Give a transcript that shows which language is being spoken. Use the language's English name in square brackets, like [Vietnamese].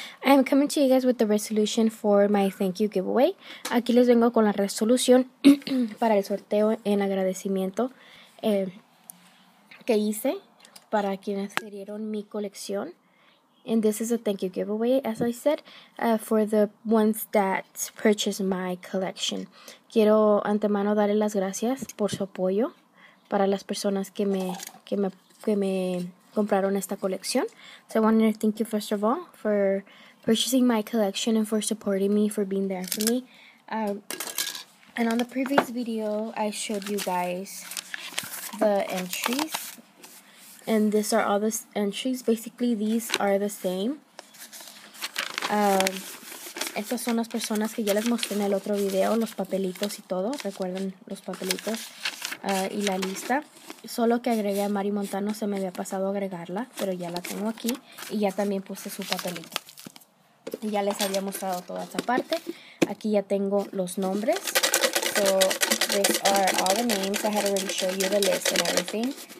[English] I'm coming to you guys with the resolution for my thank you giveaway. [Spanish] Aquí les vengo con la resolución para el sorteo en agradecimiento que hice para quienes adquirieron mi colección. [English] And this is a thank you giveaway, as I said, for the ones that purchased my collection. [Spanish] Quiero antemano darles las gracias por su apoyo para las personas que me compraron esta colección. [English] So I want to thank you first of all for purchasing my collection and for supporting me, for being there for me. And on the previous video, I showed you guys the entries. And these are all the entries. Basically, these are the same. [Spanish] Estas son las personas que ya les mostré en el otro video, los papelitos y todo. Recuerden los papelitos y la lista. Solo que agregué a Mari Montano, se me había pasado agregarla, pero ya la tengo aquí. Y ya también puse su papelito. Y ya les había mostrado toda esa parte. Aquí ya tengo los nombres. [English] So, these are all the names. I had already showed you the list and everything.